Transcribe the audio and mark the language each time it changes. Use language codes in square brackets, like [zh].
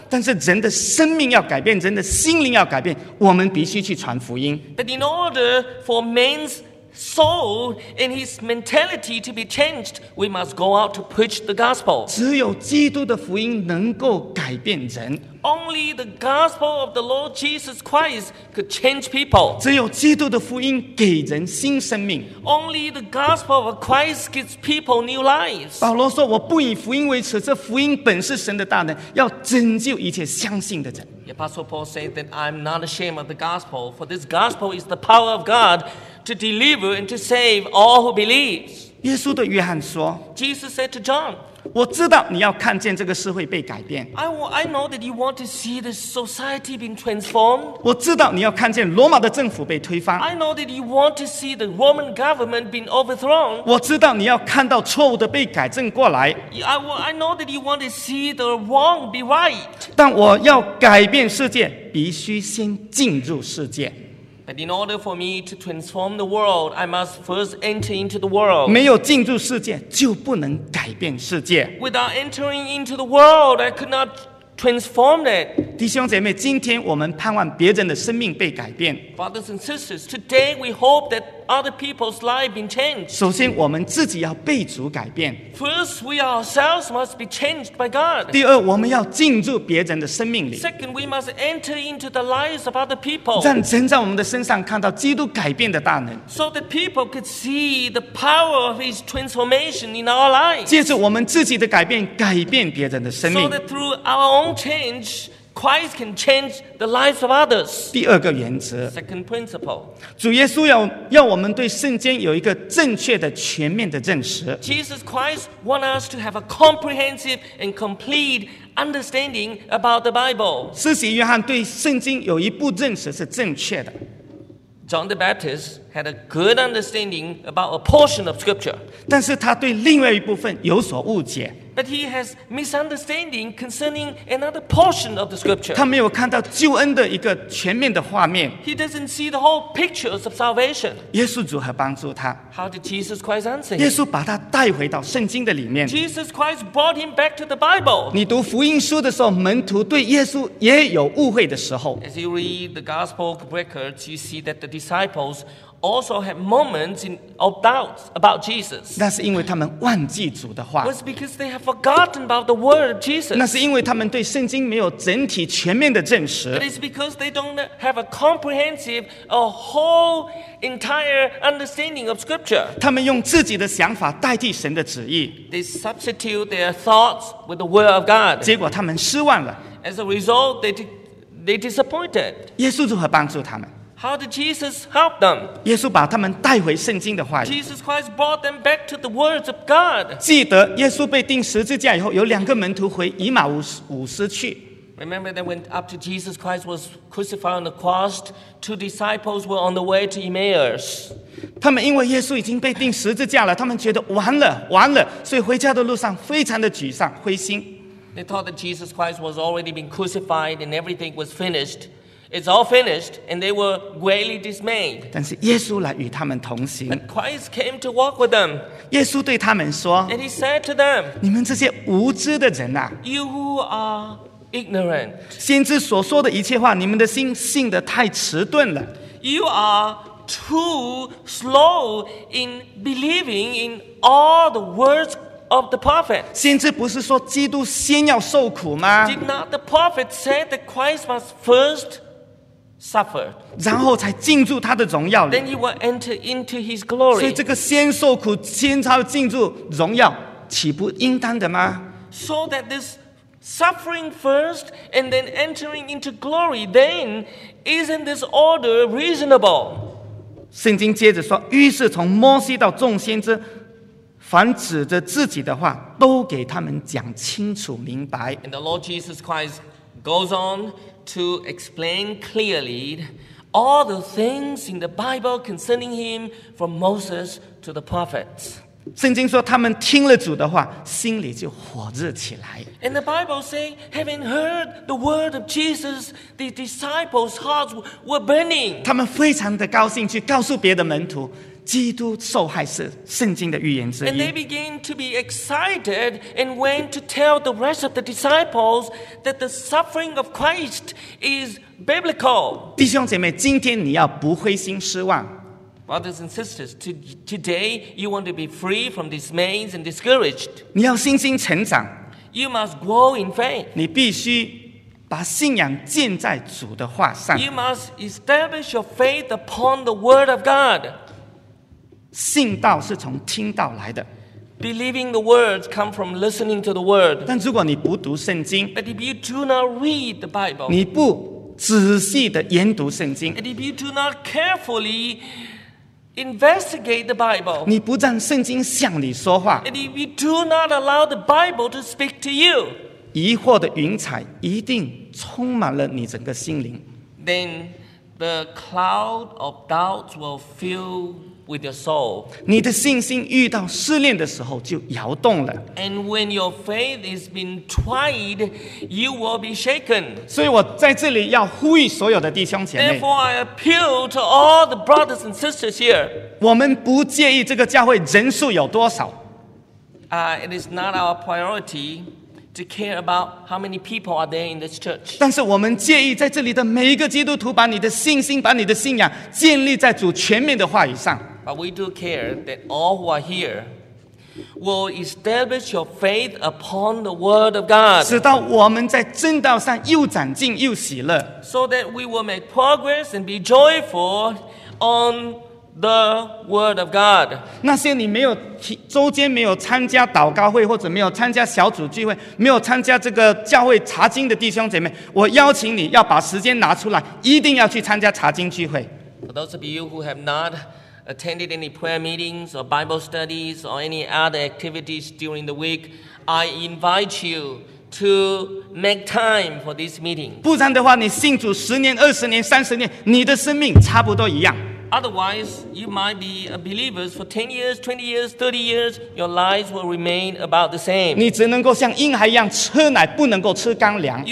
[zh] 但是人的生命要改变，人的心灵要改变，我们必须去传福音。 [en] But in order for man's soul and his mentality to be changed, we must go out to preach the gospel. [zh] 只有基督的福音能够改变人。 [en] Only the gospel of the Lord Jesus Christ could change people. [zh] 只有基督的福音给人新生命。 [en] Only the gospel of Christ gives people new lives. [zh] 保罗说，我不以福音为耻，这福音本是神的大能，要拯救一切相信的人。 [en] The Apostle Paul said that I'm not ashamed of the gospel, for this gospel is the power of God to deliver and to save all who believe. [zh] 耶稣对约翰说 [en] ，Jesus said to John， [zh] 我知道你要看见这个社会被改变。 [en] I know that you want to see the society being transformed。 [zh] 我知道你要看见罗马的政府被推翻。 [en] I know that you want to see the Roman government being overthrown。 [zh] 我知道你要看到错误的被改正过来。 [en] I know that you want to see the wrong be right。 [zh] 但我要改变世界，必须先进入世界。 [en] But in order for me to transform the world, I must first enter into the world. [zh] 没有进入世界，就不能改变世界。 [en] Without entering into the world, I could not transform it. [zh] 弟兄姐妹，今天我们盼望别人的生命被改变。 [en] Brothers and sisters, today we hope that other people's lives be changed. [zh] 首先，我们自己要被主改变。 [en] First, we ourselves must be changed by God. [zh] 第二，我们要进入别人的生命里。 [en] Second, we must enter into the lives of other people. [zh] 让人在我们的身上看到基督改变的大能。 [en] So that people could see the power of His transformation in our lives. [zh] 借着我们自己的改变，改变别人的生命。 [en] So that through our own change, Christ can change the lives of others. [zh] 第二个原则。 [en] Second principle. [zh] 主耶稣要我们对圣经有一个正确的全面的认识。 [en] Jesus Christ wants us to have a comprehensive and complete understanding about the Bible. [zh] 施洗约翰对圣经有一部认识是正确的。 [en] John the Baptist had a good understanding about a portion of Scripture. [zh] 但是他对另外一部分有所误解。 [en] But he has misunderstanding concerning another portion of the scripture. [zh] 他没有看到救恩的一个全面的画面。 [en] He doesn't see the whole pictures of salvation. [zh] 耶稣如何帮助他？ [en] How did Jesus Christ answer him? [zh] 耶稣把他带回到圣经的里面。 [en] Jesus Christ brought him back to the Bible. [zh] 你读福音书的时候，门徒对耶稣也有误会的时候。 [en] As you read the gospel records, you see that the disciples also had moments of doubts about Jesus. [zh] 那是因为他们忘记主的话。 [en] Was because they have forgotten about the word of Jesus. [zh] 那是因为他们对圣经没有整体全面的证实。 [en] But it's because they don't have a comprehensive, a whole, entire understanding of Scripture. [zh] 他们用自己的想法代替神的旨意。 [en] They substitute their thoughts with the word of God. [zh] 结果他们失望了。 [en] As a result, they disappointed. [zh] 耶稣如何帮助他们？ [en] How did Jesus help them? [zh] 耶稣把他们带回圣经的话语。 [en] Jesus Christ brought them back to the words of God. [zh] 记得耶稣被钉十字架以后，有两个门徒回以马忤斯去。 [en] Remember that when up to Jesus Christ was crucified on the cross, two disciples were on the way to Emmaus. [zh] 他们因为耶稣已经被钉十字架了，他们觉得完了，完了，所以回家的路上非常的沮丧，灰心。 [en] They thought that Jesus Christ was already been crucified and everything was finished. It's all finished, and they were greatly dismayed. [zh] 但是耶稣来与他们同行。 [en] But Christ came to walk with them. [zh] 耶稣对他们说。 [en] And he said to them, [zh] 你们这些无知的人啊。 [en] You who are ignorant. [zh] 先知所说的一切话，你们的心信得太迟钝了。 [en] You are too slow in believing in all the words of the prophet. [zh] 先知不是说基督先要受苦吗？ [en] Did not the prophet say that Christ must first suffered, [zh] 然后才进入他的荣耀里。 [en] Then he will enter into his glory. [zh] 所以这个先受苦，先才进入荣耀，岂不应当的吗？ [en] So that this suffering first and then entering into glory, then isn't this order reasonable? [zh] 圣经接着说，于是从摩西到众先知，凡指着自己的话，都给他们讲清楚明白。 [en] And the Lord Jesus Christ goes on. To explain clearly all the things in the Bible concerning him from Moses to the prophets. [zh] 圣经说他们听了主的话，心里就火热起来。 [en] And the Bible says, having heard the word of Jesus, the disciples' hearts were burning. [zh] 他们非常的高兴去告诉别的门徒，基督受害是圣经的预言之一。 [en] And they began to be excited and went to tell the rest of the disciples that the suffering of Christ is biblical. [zh] 弟兄姐妹，今天你要不灰心失望。 [en] Brothers and sisters, today you want to be free from dismays and discouraged. [zh] 你要信心成长。 [en] You must grow in faith. [zh] 你必须把信仰建在主的话上。 [en] You must establish your faith upon the word of God. [zh] 信道是从听道来的。 [en] Believing the words come from listening to the word. [zh] 但如果你不读圣经， [en] But if you do not read the Bible, [zh] 你不仔细的研读圣经， [en] And if you do not carefully Investigate the Bible. [zh] 你不让圣经向你说话。 [en] And if you do not allow the Bible to speak to you, [zh] 疑惑的云彩一定充满了你整个心灵。 [en] Then the cloud of doubt will fill with your soul. [zh] 你的信心遇到试炼的时候就摇动了。 [en] And when your faith is being tried, you will be shaken. [zh] 所以我在这里要呼吁所有的弟兄姐妹。 [en] Therefore, I appeal to all the brothers and sisters here. [zh] 我们不介意这个教会人数有多少。 [en] It is not our priority to care about how many people are there in this church. [zh] 但是我们介意在这里的每一个基督徒把你的信心把你的信仰建立在主全面的话语上。 [en] But we do care that all who are here will establish your faith upon the word of God. [zh] 使到我们在正道上又长进又喜乐。 [en] So that we will make progress and be joyful on the word of God. [zh] 那些你没有周间没有参加祷告会或者没有参加小组聚会没有参加这个教会查经的弟兄姐妹我邀请你要把时间拿出来一定要去参加查经聚会。 [en] For those of you who have not attended any prayer meetings or Bible studies or any other activities during the week, I invite you to make time for this meeting. [zh] 不然的话你信主十年二十年三十年你的生命差不多一样。 [en] Otherwise, you might be a believer for 10 years, 20 years, 30 years. Your lives will remain about the same. [zh] 你只能够像婴孩一样吃奶，不能够吃干粮。